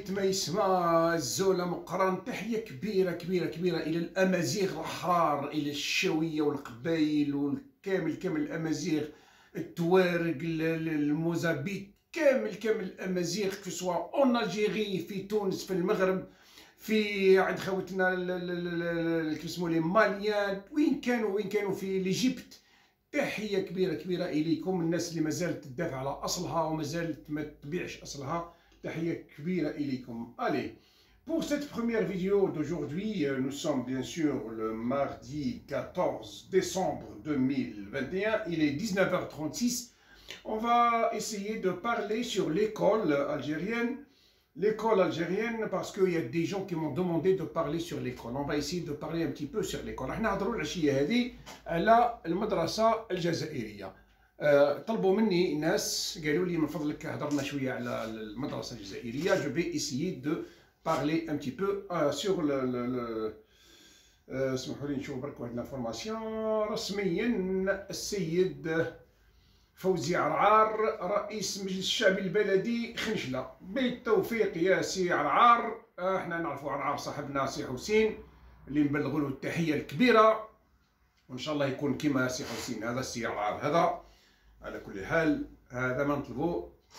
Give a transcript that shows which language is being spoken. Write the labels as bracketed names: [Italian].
[Arabic] اسمع الزول مقران، تحية كبيرة كبيرة كبيرة إلى الأمازيغ الأحرار، إلى الشوية والقبائل والكامل كامل الأمازيغ، التوارق الموزابيك، كامل كامل الأمازيغ، في سواء أون أجيغي، في تونس، في المغرب، في عند خوتنا كيف يسمو لي ماليان، وين كانوا وين كانوا في ليجيبت. تحية كبيرة كبيرة إليكم الناس اللي مازالت تدافع على أصلها ومازالت ما تبيعش أصلها. تحية كبيرة إليكم. [French] Allez, pour cette première vidéo d'aujourd'hui, nous sommes bien sûr le mardi 14 décembre 2021. Il est 19h36. On va essayer de parler sur l'école algérienne. L'école algérienne, parce qu'il y a des gens qui m'ont demandé de parler sur l'école. On va essayer de parler un petit peu sur l'école. On va parler de l'école algérienne. La madrasa algérienne. [Arabic] طلبوا مني ناس قالوا لي من فضلك هضرنا شوية على المدرسة الجزائرية. [French] Je vais essayer de parler un petit peu sur le. [Arabic] اسمحوا لي نشوف برك واحد الانفورماسيون. رسميا السيد فوزي عرعار رئيس مجلس الشعب البلدي خنجلة، بالتوفيق يا سي عرعار. احنا نعرفوا عرعار صاحبنا سي حسين اللي نبلغوا له التحية الكبيرة، وان شاء الله يكون كما سي حسين هذا السي عرعار هذا. على كل حال هذا ما نطلبه،